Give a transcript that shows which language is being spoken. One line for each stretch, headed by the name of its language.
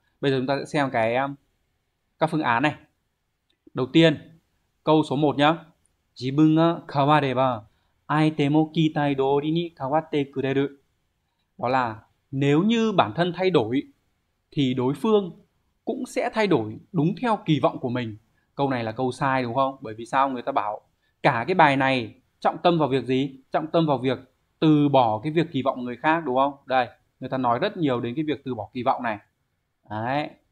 Vietnamese: Bây giờ chúng ta sẽ xem các phương án này. Đầu tiên, câu số 1 nhá.
Japanese: 自分が変われば相手も期待通りに変わってくれる。
Vietnamese: Đó là nếu như bản thân thay đổi thì đối phương cũng sẽ thay đổi đúng theo kỳ vọng của mình. Câu này là câu sai đúng không? Bởi vì sao? Người ta bảo cả cái bài này trọng tâm vào việc gì? Trọng tâm vào việc từ bỏ cái việc kỳ vọng người khác đúng không? Đây, người ta nói rất nhiều đến cái việc từ bỏ kỳ vọng này. Đấy.